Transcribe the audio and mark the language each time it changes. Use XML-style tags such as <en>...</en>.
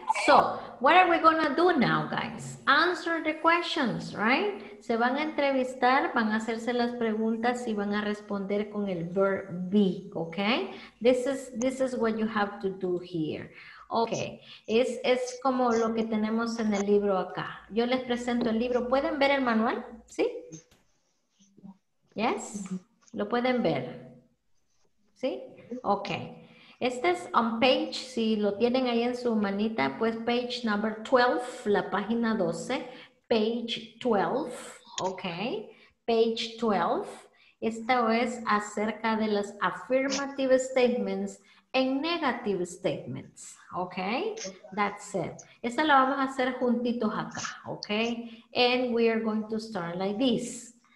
<en>So, what are we going to do now, guys? Answer the questions, right?</en> <es>Se van a entrevistar, van a hacerse las preguntas y van a responder con el verb be, okay?</es> <en>This is what you have to do here.</en> <es>Ok, es como lo que tenemos en el libro acá. Yo les presento el libro. ¿Pueden ver el manual? ¿Sí? ¿Yes? ¿Lo pueden ver? ¿Sí? Ok. Este es on page, si lo tienen ahí en su manita, pues</es> <en>page number 12,</en> <es>la página 12.</es> <en>Page 12, ok. Page 12.</en> <es>Esto es acerca de las affirmative statements en negative statements, ¿ok?</es> <en>That's it.</en> <es>Esta la vamos a hacer juntitos acá, ¿ok?</es> <en>And we are going to start like this.</en>